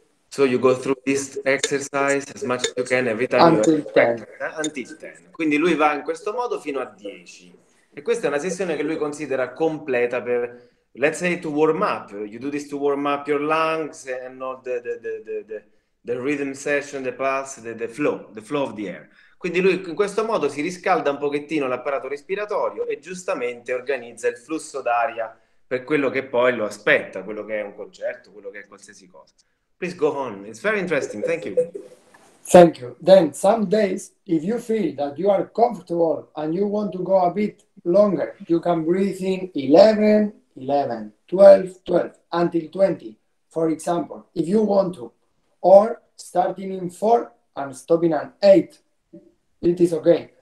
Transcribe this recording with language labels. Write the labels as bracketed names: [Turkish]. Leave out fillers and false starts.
[English] So you go through this exercise as much as you can every time. Until 10. [Italian] Quindi lui va in questo modo fino a 10. E questa è una sessione che lui considera completa per, [English] let's say, to warm up. You do this to warm up your lungs and not the rhythm session, the pulse, the flow of the air. [Italian] Quindi lui in questo modo si riscalda un pochettino l'apparato respiratorio e giustamente organizza il flusso d'aria per quello che poi lo aspetta, quello che è un concerto, quello che è qualsiasi cosa. [English] Please go on. It's very interesting. Thank you. Thank you. Then some days, if you feel that you are comfortable and you want to go a bit longer, you can breathe in 11, 11, 12, 12, until 20, for example, if you want to, or starting in 4 and stopping at 8. It is okay.